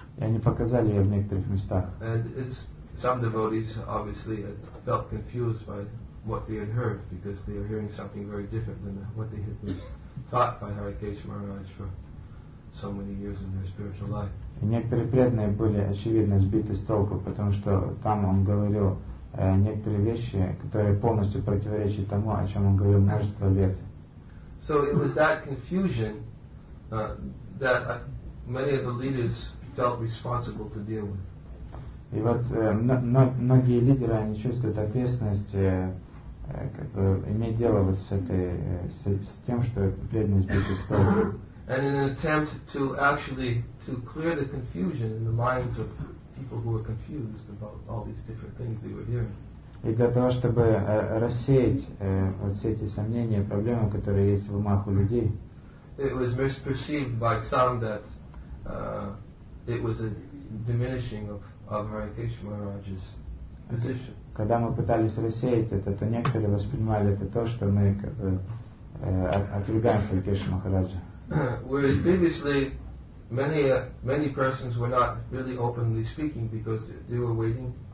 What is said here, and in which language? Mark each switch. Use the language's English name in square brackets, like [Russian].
[Russian] И они показали ее в некоторых местах. [English] Some devotees obviously had felt confused by what they had heard because they were hearing something very different than what they had been taught by Hare Krishna Maharaj for so many years in their spiritual life. [Russian] И некоторые преданные были очевидно сбиты с толку, потому что там он говорил некоторые вещи, которые полностью противоречат тому, о чем он говорил множество лет. [English] So it was that confusion that many of the leaders felt responsible to deal with. [Russian] И вот многие лидеры, они чувствуют ответственность как бы, иметь дело вот с тем, что преданность будет исполнена. [English] And in an attempt to actually to clear the confusion in the minds of people who were confused about all these different things they were hearing. [Russian] И для того, чтобы рассеять вот все эти сомнения, проблемы, которые есть в умах у людей. [English] It was misperceived by some that it was a diminishing of Hare Krishna Maharaj's position. [Russian] Когда мы пытались рассеять это, то некоторые воспринимали это то, что мы отвергаем Хари Кеша Махараджа. [English] Whereas previously many persons were not really openly speaking because they were waiting